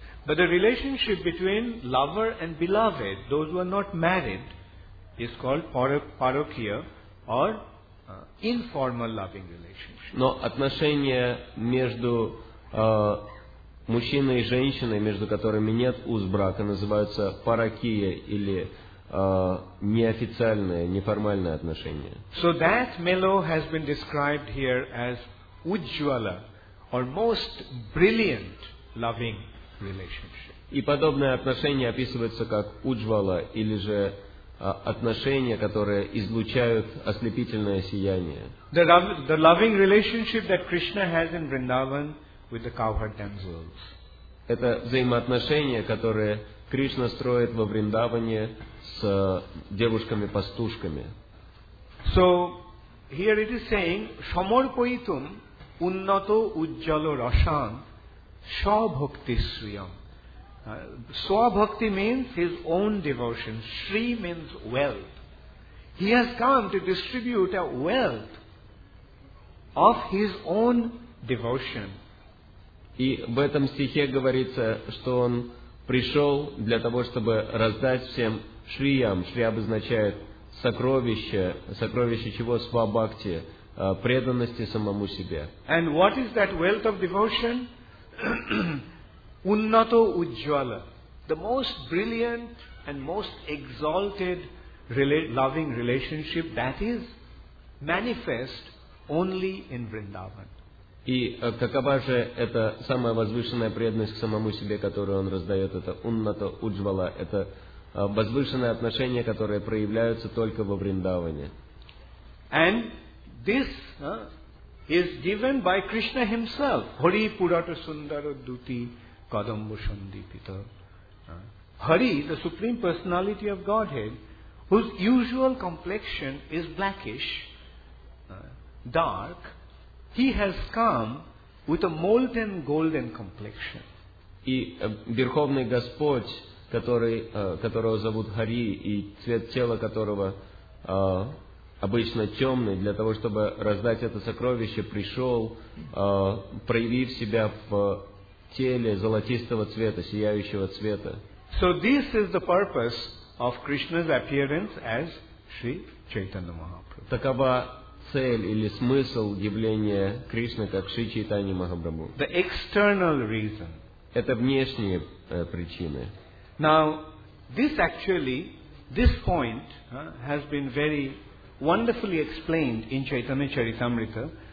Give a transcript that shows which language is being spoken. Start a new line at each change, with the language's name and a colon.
English: But the relationship between lover and beloved, those who are not married, is called parokya or informal loving relationship.
Russian: Но отношения между мужчиной и женщиной, между которыми нет уз брака, называются паракия или неофициальное, неформальное отношение.
English: So that mellow has been described here as ujjvala, or most brilliant loving relationship.
Russian: И подобное отношение описывается как ujjvala, или же отношения, которые излучают ослепительное сияние.
English: The loving relationship that Krishna has in Vrindavan with the cowherd damsels.
Russian: Это взаимоотношения, которые Кришна строит во Вриндаване с девушками-пастушками.
English: So, here it is saying,
Sanskrit: samarpayitum unnato ujjalo rasan svabhakti sriyam.
English: Svabhakti means his own devotion. Shri means wealth. He has come to distribute a wealth of his own devotion.
Russian: И в этом стихе говорится, что он пришел для того, чтобы раздать всем шриям. Шри обозначает сокровище, сокровище чего? Свабхакти, преданности самому себе.
English: And what is that wealth of devotion?
Sanskrit: Unnato ujjvala.
English: The most brilliant and most exalted loving relationship that is manifest only in Vrindavan.
Russian: И какова же эта самая возвышенная преданность к самому себе, которую он раздает, это
Sanskrit: уннато уджвала,
Russian: это возвышенные отношения, которые проявляются только во Вриндаване.
English: And this is given by Krishna himself.
Sanskrit: Hari purata sundara duti kadambu sandipita.
English: Hari, the supreme personality of Godhead, whose usual complexion is blackish, dark, He has come with a molten golden complexion.
Russian: И Верховный Господь, которого зовут Хари, и цвет тела которого обычно темный, для того, чтобы раздать это сокровище, пришел, проявив себя в теле золотистого цвета, сияющего цвета.
English: So this is the purpose of Krishna's appearance as Sri Chaitanya Mahaprabhu.
Russian: Такова цель или смысл явления Кришны как Шри Чайтанья Махапрабху.
English: The external reason.
Russian: Это внешние причины.
English: Now, this point has been very wonderfully explained in Chaitanya Charitamrita.